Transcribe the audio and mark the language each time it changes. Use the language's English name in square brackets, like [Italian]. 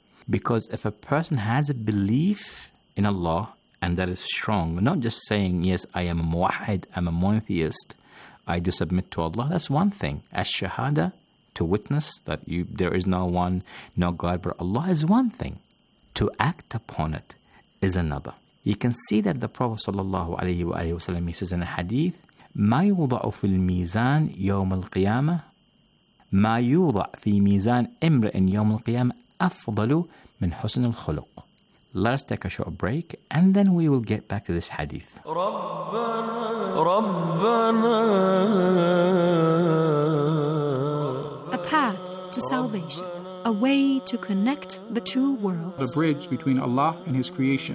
[English] Because if a person has a belief in Allah and that is strong, not just saying, yes, I am a muwahid, I'm a monotheist, I do submit to Allah, that's one thing. Ash-shahada, to witness that there is no one, no God but Allah, is one thing. To act upon it is another. You can see that the Prophet sallallahu alayhi wa alayhi wa sallam, he says in a hadith, [Arabic] ما يوضع في الميزان يوم القيامة ما يوضع في ميزان امرئ يوم القيامة أفضل من حسن الخلق. [English] Let us take a short break and then we will get back to this hadith. [Arabic] ربنا ربنا [English] A path to salvation. A way to connect the two worlds. The bridge between Allah and His creation.